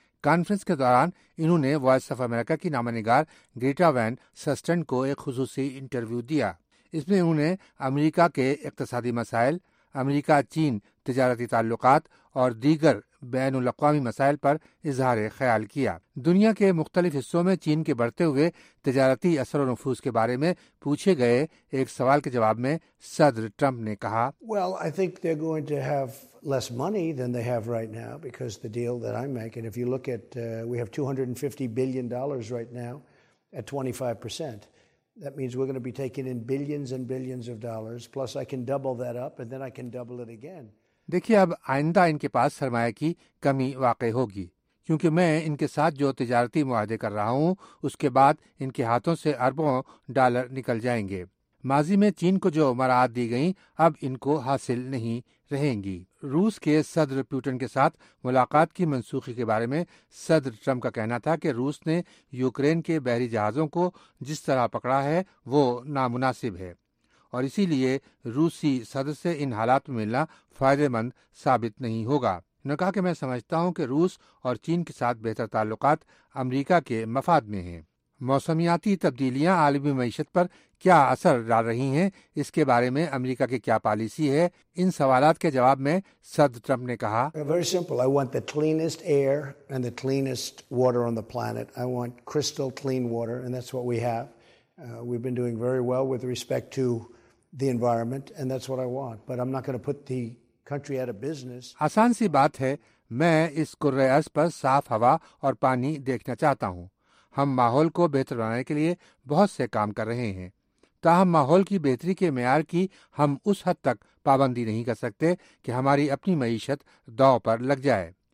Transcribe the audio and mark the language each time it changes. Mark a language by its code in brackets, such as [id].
[ur] Conference کے دوران انہوں نے وائس آف امریکہ کی نامہ نگار گریٹا وین سسٹن کو ایک خصوصی انٹرویو دیا۔ اس میں انہوں نے امریکہ کے اقتصادی مسائل، امریکہ چین تجارتی تعلقات اور دیگر بین الاقوامی مسائل پر اظہار خیال کیا۔ دنیا کے مختلف حصوں میں چین کے بڑھتے ہوئے تجارتی اثر و نفوذ کے بارے میں پوچھے گئے ایک سوال کے جواب میں صدر ٹرمپ نے کہا، [en] Well, I think they're going to have less money than they have right now because the deal that I'm making, if you look at we have $250 billion right now at 25%. That means we're going to be taking in billions and billions of dollars, plus I can double that up and then I can double it again. [ur] دیکھیے، اب آئندہ ان کے پاس سرمایہ کی کمی واقع ہوگی، کیونکہ میں ان کے ساتھ جو تجارتی معاہدے کر رہا ہوں اس کے بعد ان کے ہاتھوں سے اربوں ڈالر نکل جائیں گے۔ ماضی میں چین کو جو مراعات دی گئیں اب ان کو حاصل نہیں رہیں گی۔ روس کے صدر پوٹن کے ساتھ ملاقات کی منسوخی کے بارے میں صدر ٹرمپ کا کہنا تھا کہ روس نے یوکرین کے بحری جہازوں کو جس طرح پکڑا ہے وہ نامناسب ہے، اور اسی لیے روسی صدر سے ان حالات میں ملنا فائدہ مند ثابت نہیں ہوگا۔ انہوں نے کہا کہ میں سمجھتا ہوں کہ روس اور چین کے ساتھ بہتر تعلقات امریکہ کے مفاد میں ہیں۔ موسمیاتی تبدیلیاں عالمی معیشت پر کیا اثر ڈال رہی ہیں، اس کے بارے میں امریکہ کی کیا پالیسی ہے، ان سوالات کے جواب میں صدر ٹرمپ نے کہا، [en] Very simple. I want the cleanest air and the cleanest water on the planet. I want crystal clean water and that's what we have. We've been doing very well with respect to the environment and that's what I want. But I'm not going to put the country out of business. [ur] آسان سی بات ہے، میں اس کرہ ارض پر صاف ہوا اور پانی دیکھنا چاہتا ہوں۔ ہم ماحول کو بہتر بنانے کے لیے بہت سے کام کر رہے ہیں، تاہم ماحول کی بہتری کے معیار کی ہم اس حد تک پابندی نہیں کر سکتے کہ ہماری اپنی معیشت داؤ پر لگ جائے۔